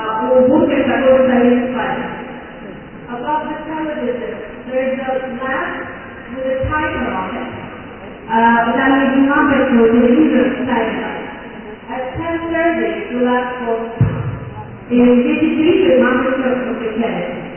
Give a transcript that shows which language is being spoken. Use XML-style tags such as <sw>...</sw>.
<ru>У Бурга такой завет спать.</ru> <en>Above the television, there is a lamp with a timer on it.</en> <ru>Там есть лампочка, вот телевизор с таймером.</ru> <en>At 10:30, the lamp goes.</en> <ru>И в 10:30 лампочка включается.</ru>